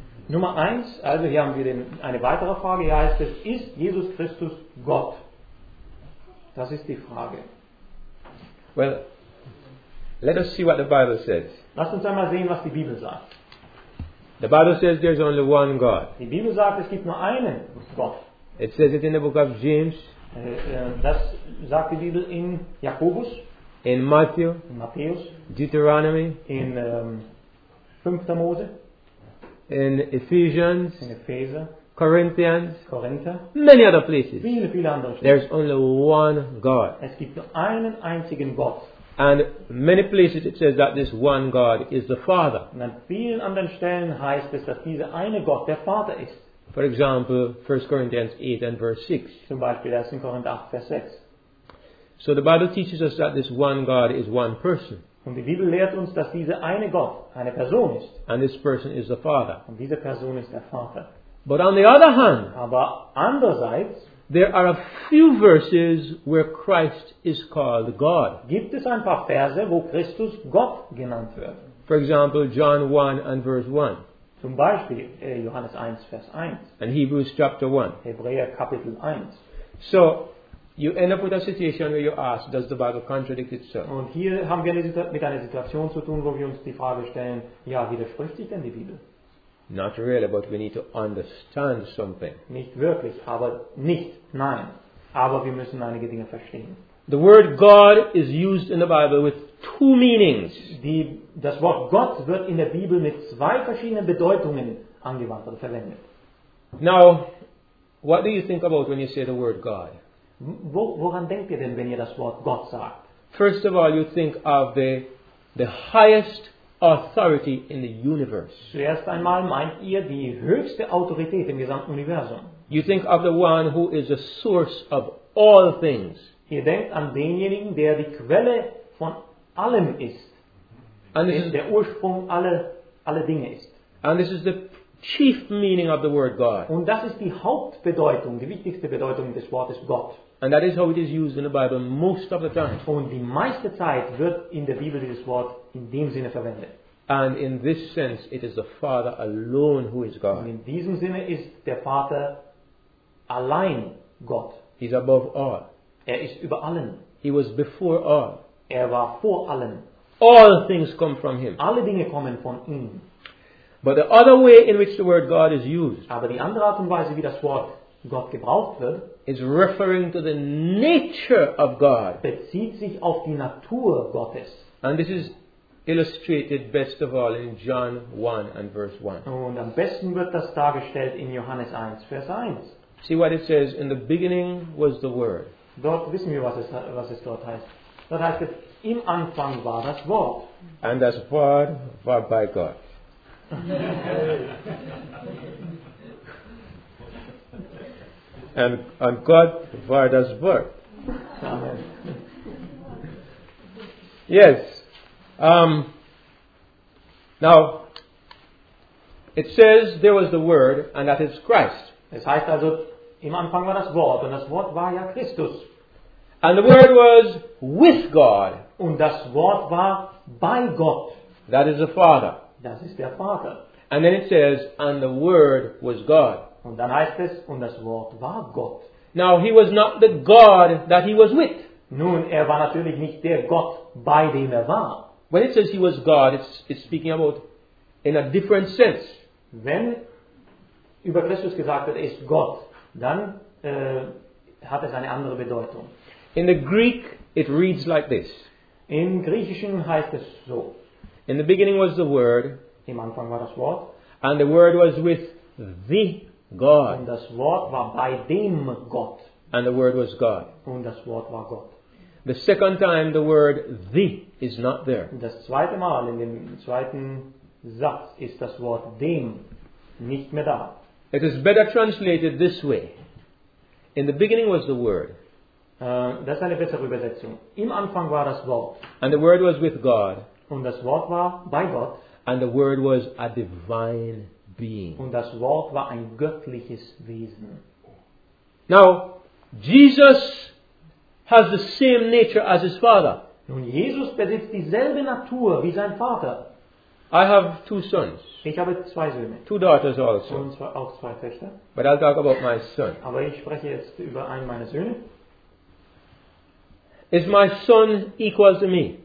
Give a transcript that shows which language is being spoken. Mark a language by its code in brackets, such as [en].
[de] Nummer eins, also hier haben wir eine weitere Frage, hier heißt es, ist Jesus Christus Gott? Das ist die Frage. [en] Well, let us see what the Bible says. [de] Lass uns einmal sehen, was die Bibel sagt. [en] The Bible says there's only one God. [de] Die Bibel sagt, es gibt nur einen Gott. [en] It says it in the book of James. [de] Das sagt die Bibel in Jakobus. [en] In Matthew. [de] In Matthäus. [en] Deuteronomy. [de] In 5. Mose. [en] In Ephesians. [de] In Epheser. [en] Corinthians. [de] Korinther. [en] Many other places. [de] Viele, viele andere Stellen. [en] There's only one God. [de] Es gibt nur einen einzigen Gott. [en] And many places it says that this one God is the Father. [de] Und an vielen anderen Stellen heißt es, dass dieser eine Gott der Vater ist. [en] For example, 1 Corinthians 8 and verse 6. [de] Zum Beispiel 1. Korinther 8, Vers 6. [en] So the Bible teaches us that this one God is one person. [de] Und die Bibel lehrt uns, dass dieser eine Gott eine Person ist. [en] And this person is the Father. [de] Und diese Person ist der Vater. [en] But on the other hand, [de] aber andererseits, [en] there are a few verses where Christ is called God. [de] Gibt es ein paar Verse, wo Christus Gott genannt wird? [en] For example, John 1 and verse 1. [de] Zum Beispiel Johannes 1, Vers 1. [en] And Hebrews chapter 1. [de] Hebräer Kapitel 1. [en] So, you end up with a situation where you ask, does the Bible contradict itself? [de] Und hier haben wir mit einer Situation zu tun, wo wir uns die Frage stellen, ja, widerspricht sich denn die Bibel? [en] Not really, but we need to understand something. [de] Nicht wirklich, aber nicht, nein. Aber wir müssen einige Dinge verstehen. [en] The word God is used in the Bible with two meanings. [de] Das Wort Gott wird in der Bibel mit zwei verschiedenen Bedeutungen angewandt oder verwendet. [en] Now, what do you think about when you say the word God? [de] Woran denkt ihr denn, wenn ihr das Wort Gott sagt? [en] First of all, you think of the highest authority in the universe. [de] Zuerst einmal meint ihr die höchste Autorität im gesamten Universum. [en] You think of the one who is the source of all things. [de] Ihr denkt an denjenigen, der die Quelle von allem ist. [en] And [de] der Ursprung aller Dinge ist. [en] And this is the chief meaning of the word God. [de] Und das ist die Hauptbedeutung, die wichtigste Bedeutung des Wortes Gott. [en] And that is how it is used in the Bible most of the time. [de] Und die meiste Zeit wird in der Bibel dieses Wort in dem Sinne verwendet. [en] And in this sense it is the Father alone who is God. [de] Und in diesem Sinne ist der Vater allein Gott. [en] He's above all. [de] Er ist über allen. [en] He was before all. [de] Er war vor allen. [en] All things come from him. [de] Alle Dinge kommen von ihm. [en] But the other way in which the word God is used, [de] aber die andere Art und Weise, wie das Wort Gott gebraucht wird, [en] is referring to the nature of God. [de] Bezieht sich auf die Natur Gottes. [en] And this is illustrated best of all in John 1 and verse 1. [de] Und am besten wird das dargestellt in Johannes 1, Vers 1. [en] See what it says, in the beginning was the Word. [de] Dort wissen wir, was es dort heißt. Dort heißt es, im Anfang war das Wort. And das Wort war bei Gott. And God war das Wort. Amen. [en] Yes. Now, it says there was the Word, and that is Christ. [de] Es heißt also, im Anfang war das Wort, und das Wort war ja Christus. [en] And the Word was with God. [de] Und das Wort war bei Gott. [en] That is the Father. [de] Das ist der Vater. [en] And then it says, and the Word was God. [de] Und dann heißt es, und das Wort war Gott. [en] Now, he was not the God that he was with. [de] Nun, er war natürlich nicht der Gott, bei dem er war. [en] When it says he was God, it's speaking about in a different sense. [de] Wenn über Christus gesagt wird, er ist Gott, dann hat es eine andere Bedeutung. [en] In the Greek, it reads like this. [de] Im Griechischen heißt es so. [en] In the beginning was the Word. [de] Im Anfang war das Wort. [en] And the Word was with the God. [de] Und das Wort war bei dem Gott. [en] And the Word was God. [de] Und das Wort war Gott. [en] The second time the word the is not there. [de] Das zweite Mal in dem zweiten Satz ist das Wort dem nicht mehr da. [en] It is better translated this way. In the beginning was the Word. [de] Das ist eine bessere Übersetzung. Im Anfang war das Wort. [en] And the Word was with God. [de] Und das Wort war bei Gott. [en] And the word was a divine being. [de] Und das Wort war ein göttliches Wesen. [en] Now, Jesus has the same nature as his father. [de] Nun, Jesus besitzt dieselbe Natur wie sein Vater. [en] I have two sons. [de] Ich habe zwei Söhne. [en] Two daughters also. [de] Und zwar auch zwei Töchter. [en] But I'll talk about my son. [de] Aber ich spreche jetzt über einen meiner Söhne. [en] Is my son equal to me?